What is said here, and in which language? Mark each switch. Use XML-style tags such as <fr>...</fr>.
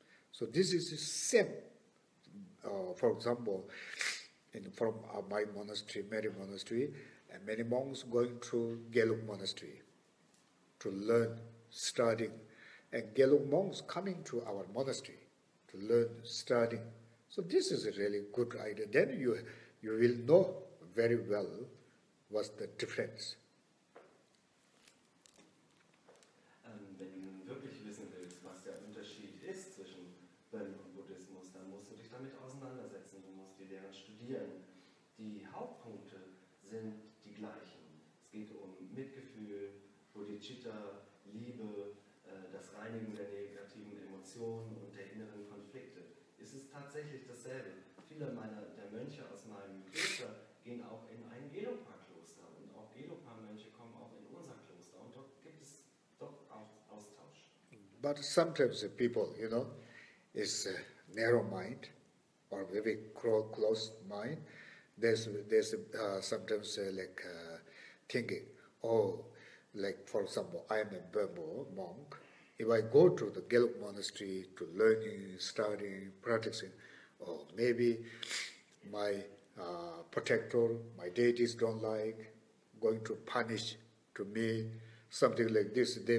<en>So this is the same. For example, from my monastery, Mary Monastery, and many monks going to Gelug Monastery to learn, studying. And Gelug monks coming to our monastery to learn, study. So this is a really good idea. Then you will know very well what's the difference.</en> <de>Wenn du wirklich wissen willst, was der Unterschied ist zwischen Bön und Buddhismus, dann musst du dich damit auseinandersetzen. Du musst die Lehren studieren. Die Hauptpunkte sind die gleichen. Es geht um Mitgefühl, Bodhicitta, Liebe, das Reinigen der negativen Emotionen und der inneren Konflikte. Es ist tatsächlich dasselbe. Viele der Mönche aus meinem Kloster gehen auch in ein Gelugpa-Kloster. Und auch Gelugpa-Mönche kommen auch in unser Kloster. Und dort gibt es doch auch Austausch.</de> <en>But sometimes the people, you know, is a narrow mind or very closed mind. There's sometimes like thinking, oh, like for example, I am a Burma monk. If I go to the Gelug monastery to learning, studying, practicing, or maybe my protector, my deities don't like, going to punish to me, something like this.</en>